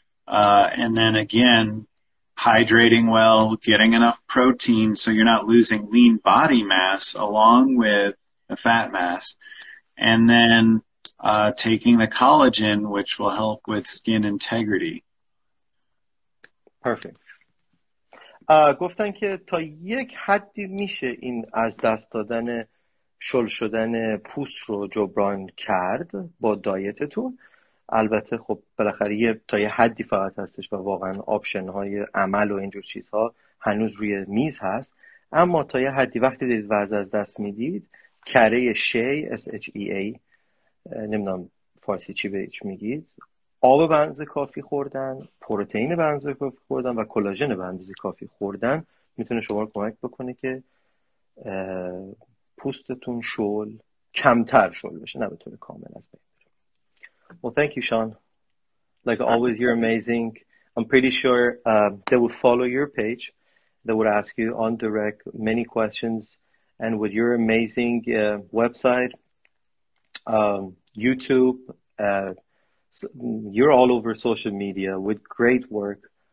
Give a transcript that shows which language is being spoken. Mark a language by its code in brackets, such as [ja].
[en] And then again, hydrating well, getting enough protein so you're not losing lean body mass along with the fat mass. And then taking the collagen, which will help with skin integrity. Perfect. [fa] گفتن که تا یک حدی میشه این از دست دادن شل شدن پوست رو جبران کرد با دایتتون. البته خب بالاخره تا یه حدی فقط هستش و واقعا آپشن های عمل و اینجور چیزها هنوز روی میز هست، اما تا یه حدی وقتی دارید وزن از دست میدید، کره شی SHEA، نمیدونم فارسی چی بهش میگید، آب به اندازه کافی خوردن، پروتئین به اندازه کافی خوردن و کلاژن به اندازه کافی خوردن میتونه شما رو کمک بکنه که پوستتون شل کمتر شل بشه، نه به طور کامل از بین. [en] Well, thank you, Sean. Like always, you're amazing. I'm pretty sure they would follow your page. They would ask you on direct many questions. And with your amazing website, YouTube, so you're all over social media with great work.